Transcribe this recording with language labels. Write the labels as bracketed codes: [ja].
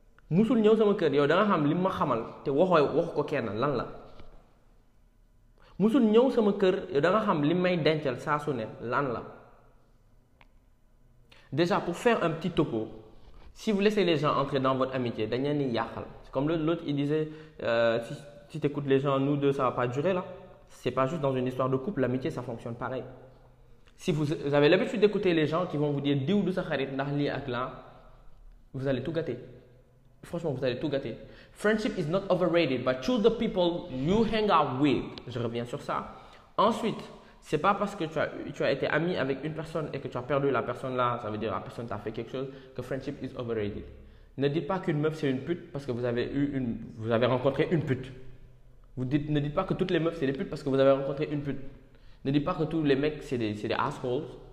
[wo] Musul ñew sama kër yow da nga xam lim ma xamal té wax ko kenn lan la [fr] musul ñew sama kër yow da nga xam lim may dencal sa su ne lan la déjà pour faire un petit topo si vous laissez les gens entrer dans votre amitié [wo] dañ ñi yaxal [fr] comme l'autre il disait si tu écoutes les gens nous deux ça va pas durer là c'est pas juste dans une histoire de couple l'amitié ça fonctionne pareil si vous avez l'habitude d'écouter les gens qui vont vous dire [wo] diou du sa xarit ndax li ak lan [fr] vous allez tout gâter. Franchement, vous allez tout gâter. [en] Friendship is not overrated, but choose the people you hang out with. [fr] Je reviens sur ça. Ensuite, c'est pas parce que tu as été ami avec une personne et que tu as perdu la personne là, ça veut dire la personne t'a fait quelque chose, que [en] friendship is overrated. [fr] Ne dites pas qu'une meuf c'est une pute parce que vous avez rencontré une pute. Ne dites pas que toutes les meufs c'est des putes parce que vous avez rencontré une pute. Ne dites pas que tous les mecs c'est des assholes.